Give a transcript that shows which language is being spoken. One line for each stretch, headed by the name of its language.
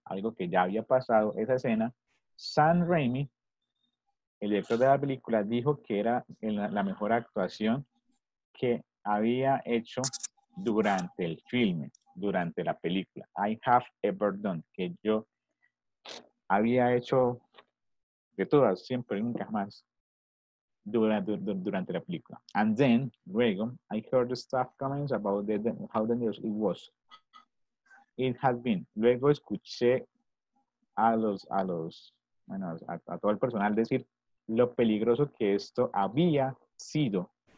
Spanish: Algo que ya había pasado, esa escena, Sam Raimi, el director de la película, dijo que era la mejor actuación que había hecho durante el filme. Durante la película.
English: I have ever done.
Spanish: Que yo había hecho de todas, siempre, nunca más. Durante la película.
English: And then, luego, I heard the staff comments about how dangerous it was. It had been.
Spanish: Luego escuché a todo el personal decir lo peligroso que esto había sido.